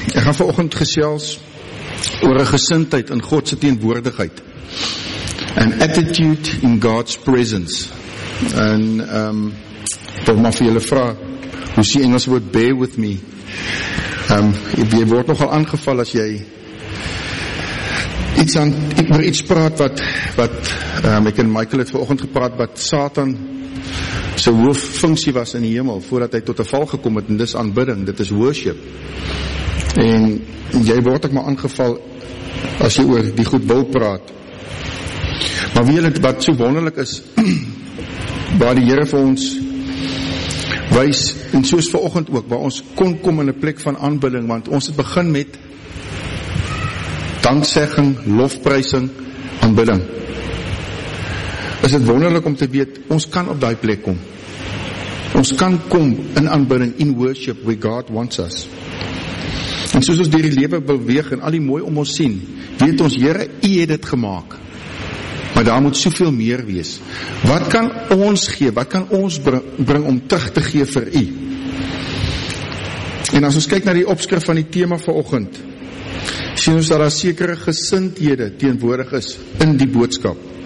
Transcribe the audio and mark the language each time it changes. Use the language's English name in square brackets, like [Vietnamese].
[Afrikaans] vanoggend gesels oor 'n gesindheid in God se teenwoordigheid. [English] An attitude in God's presence. [Afrikaans] En ek wil maar vir julle vra, hoe sê Engels woord [English] bear with me? [Afrikaans] Jy word nogal aangeval as jy iets aan oor iets praat wat ek en Michael het vanoggend gepraat wat Satan sy hooffunksie was in die hemel voordat hy tot 'n val gekom het, en dis aanbidding, dit is worship. En jy word ek maar aangeval as jy oor die goed wil praat. Maar weet jy wat so wonderlik is, waar die Here vir ons wys, en soos vanoggend ook, waar ons kon kom in 'n plek van aanbidding, want ons het begin met danksegging, lofprysing, aanbidding. Is dit wonderlik om te weet, ons kan op die plek kom. Ons kan kom in aanbidding, in worship, [English] where God wants us. [Afrikaans] En soos ons deur die lewe beweeg en al die mooi om ons sien, weet ons, Here, U het dit gemaak. Maar daar moet soveel meer wees. Wat kan ons gee, wat kan ons bring om terug te gee vir U? En as ons kyk na die opskrif van die tema vanoggend, sien ons dat daar sekere gesindhede teenwoordig is in die boodskap.